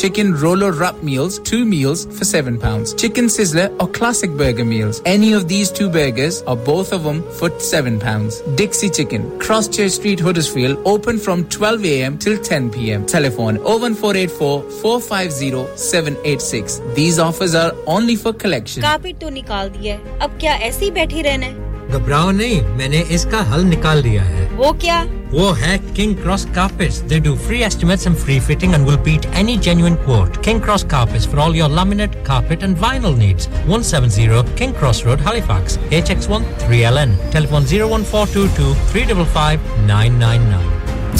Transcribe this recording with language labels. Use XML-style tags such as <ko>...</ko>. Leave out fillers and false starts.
<en>Chicken roll or wrap meals, 2 meals for £7. Chicken sizzler or classic burger meals, any of these 2 burgers or both of them for £7. Dixie Chicken Cross Church Street Huddersfield open from 12 a.m. till 10 p.m. Telephone 01484-450-786. These offers are only for collection.</en> <hi>Carpet to nikal diya. Ab kya aisi baithi rehna hai? घबराओ नहीं मैंने इसका हल निकाल दिया है वो क्या वो है</hi> <en>King Cross Carpets they do free estimates and free fitting and will beat any genuine quote King Cross Carpets for all your laminate carpet and vinyl needs 170 King Cross Road Halifax HX1 3LN telephone 01422 355 999</en>